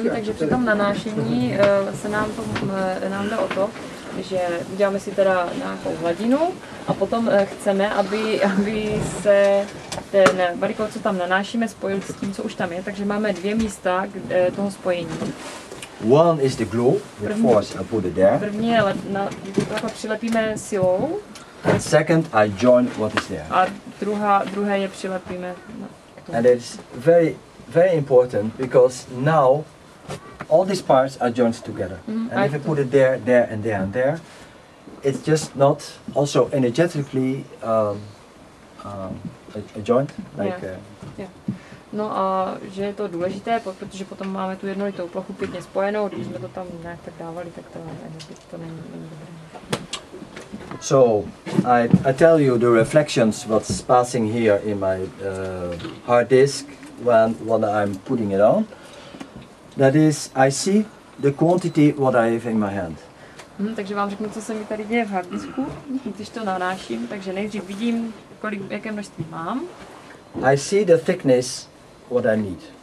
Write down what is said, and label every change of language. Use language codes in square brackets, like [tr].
[cs] Takže při tom nanášení se nám jde o to, že uděláme si teda nějakou hladinu a potom chceme, aby se ten body coat, co tam nanášíme, spojil s tím, co už tam je, takže máme dvě místa toho spojení. [en] One is the glue, the force I put it there. [cs] První je, jako přilepíme silou. [en] And second, I join what is there. [cs] A druhé je přilepíme. [en] And it's very, very important because now all these parts are joined together. Mm-hmm. And if you put it there, there, and there, and there, it's just not also energetically a joint like. Yeah. [cs] No a že je to důležité, protože potom máme tu jednolitou plochu pěkně spojenou, když jsme to tam nějak tak dávali, tak to není dobré. [en] So, I tell you the reflections what's passing here in my hard disk when I'm putting it on. That is, I see the quantity what I have in my hand. [cs] Takže vám řeknu, co se mi tady děje v hard disku, když to nanáším, takže nejdřív vidím, jaké množství mám. [en] I see the thickness what I need.